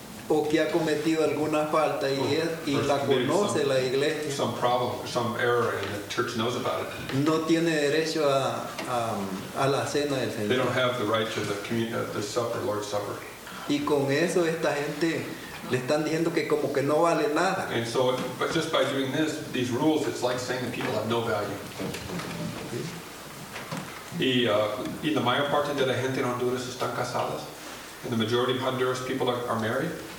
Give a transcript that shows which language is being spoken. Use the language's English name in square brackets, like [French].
[Spanish] O que ha cometido alguna falta y, well, y la conoce [English] some, [Spanish] la iglesia. [English] Some problem, some error, and the church knows about it. [Spanish] No tiene derecho a la cena del Señor. [English] They don't have the right to the communion, the supper, Lord's supper. [Spanish] Y con eso esta gente le están diciendo que como que no vale nada. [English] And so, but just by doing this, these rules, it's like saying that people have no value. [Spanish] Y la mayor parte de la gente en Honduras están casadas. [English] And the majority of Honduras people are married.